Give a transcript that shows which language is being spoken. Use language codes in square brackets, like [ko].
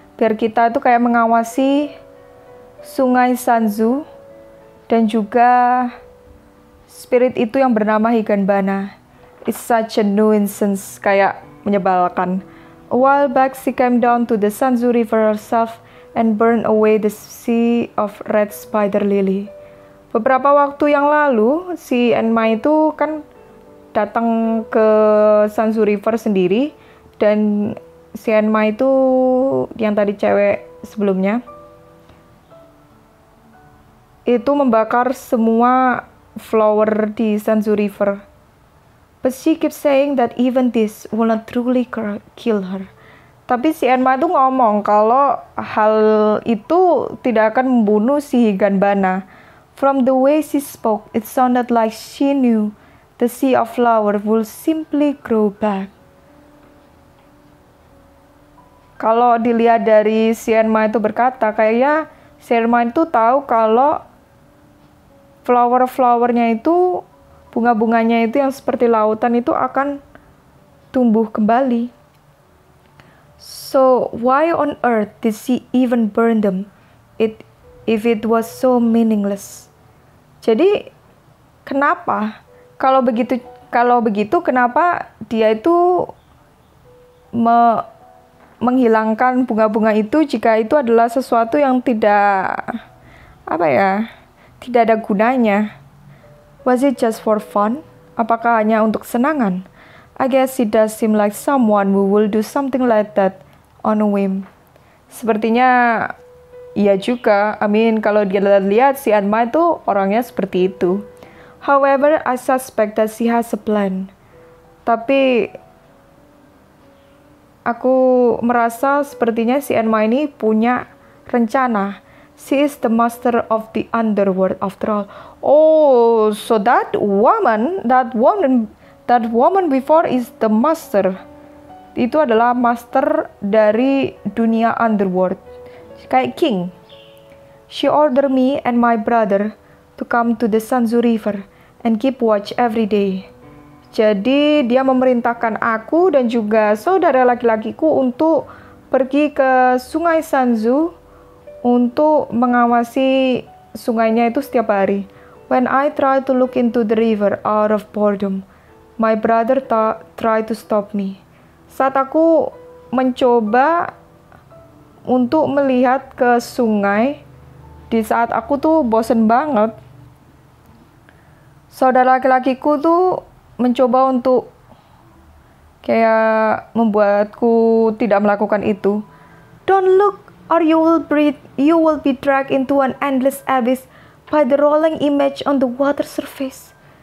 [id] Biar kita itu kayak mengawasi Sungai Sanzu dan juga spirit itu yang bernama Higanbana. [en] It's such a nuisance, [id] kayak menyebalkan. [en] A while back, she came down to the Sanzu River herself and burned away the sea of red spider lily. [id] Beberapa waktu yang lalu, si Enma itu kan datang ke Sanzu River sendiri, dan si Enma itu yang tadi cewek sebelumnya, itu membakar semua flower di Sanzu River. [en] But she keeps saying that even this will not truly kill her. [id] Tapi si Enma itu ngomong kalau hal itu tidak akan membunuh si Higanbana. [en] From the way she spoke, it sounded like she knew the sea of flower will simply grow back. [id] Kalau dilihat dari si Enma itu berkata, kayaknya si Enma itu tahu kalau flower-flowernya itu, bunga-bunganya itu yang seperti lautan itu akan tumbuh kembali. [en] So, why on earth did she even burn them if it was so meaningless? [id] Jadi, kenapa? Kalau begitu, kenapa dia itu menghilangkan bunga-bunga itu jika itu adalah sesuatu yang tidak apa ya, tidak ada gunanya. [en] Was it just for fun? [id] Apakah hanya untuk senangan? [en] I guess it does seem like someone who will do something like that on a whim. [id] Sepertinya iya juga. [en] I mean, [id] kalau dilihat-lihat si Anma itu orangnya seperti itu. [en] However, I suspect that she has a plan. [id] Tapi aku merasa sepertinya si Anma ini punya rencana. [en] She is the master of the underworld after all. Oh, so that woman before is the master. [id] Itu adalah master dari dunia underworld. Kayak king. [en] She ordered me and my brother to come to the Sanzu River and keep watch every day. [id] Jadi dia memerintahkan aku dan juga saudara laki-lakiku untuk pergi ke Sungai Sanzu untuk mengawasi sungainya itu setiap hari. [en] When I try to look into the river out of boredom, my brother try to stop me. [id] Saat aku mencoba untuk melihat ke sungai, di saat aku tuh bosen banget, saudara laki-lakiku tuh mencoba untuk kayak membuatku tidak melakukan itu. [en] Don't look or you will be dragged into an endless abyss by the rolling image on the water surface.